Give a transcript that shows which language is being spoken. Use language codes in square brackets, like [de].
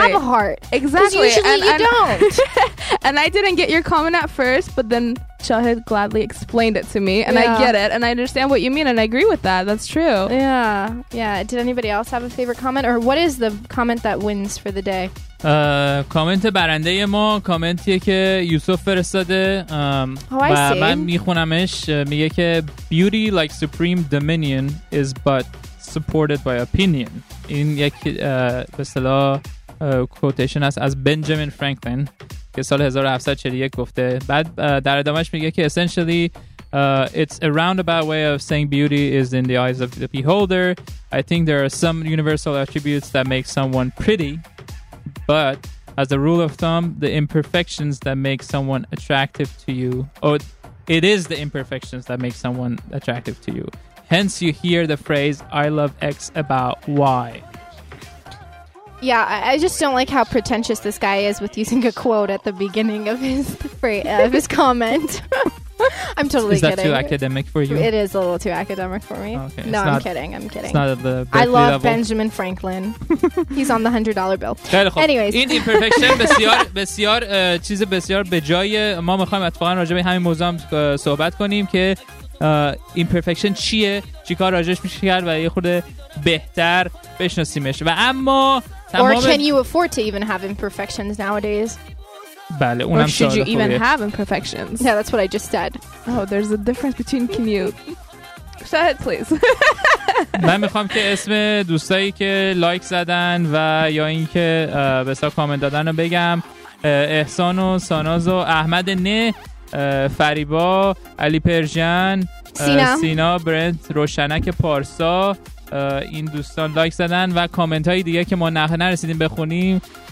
[en] guys have a heart. Exactly. Because usually and you don't. And I didn't get your comment at first, but then Shahid gladly explained it to me. And yeah. I get it. And I understand what you mean. And I agree with that. That's true. Yeah. Yeah. Did anybody else have a favorite comment? Or what is the comment that wins for the day? [fa] کامنت برنده ما کامنتیه که یوسف فرستاده و من میخونمش. میگه که [en] beauty like supreme dominion is but supported by opinion. [fa] این یک به اصطلاح کوتیشن است از بنجامین فرانکلین که سال 1741 گفته. بعد در ادامهش میگه که [en] essentially it's a roundabout way of saying beauty is in the eyes of the beholder. I think there are some universal attributes that make someone pretty, but as a rule of thumb, the imperfections that make someone attractive to you, or it is the imperfections that make someone attractive to you. Hence, you hear the phrase, I love X about Y. Yeah, I just don't like how pretentious this guy is with using a quote at the beginning of his comment. I'm totally kidding. Is that kidding. Too academic for you? It is a little too academic for me. Okay, no, not, I'm kidding. It's not at the I love level. Benjamin Franklin. He's on the $100 bill. [fa] خیلی خوب. [en] Anyways. [fa] این imperfection بسیار بسیار چیز بسیار به جای ما میخوایم اتفاقا راجع به همین موضوع صحبت کنیم که imperfection چیه؟ چیکار راجعش میشه کرد و یه خورده بهتر بشناسیمش. و اما [en] Or can you afford to even have imperfections nowadays? [fa] بله، [en] or should you [fa] خوبیه. [en] Even have imperfections? Yeah, that's what I just said. Oh, there's a difference between can you... Shahid, please. [fa] من میخوام که اسم دوستایی که لایک زدن و یا این که بسا کامنت دادن رو بگم. احسان و ساناز و احمد نه، فریبا، علی پرژن، سینا، برنت، روشنک پارسا، این دوستان لایک زدن و کامنت های دیگه که ما نرسیدیم بخونیم.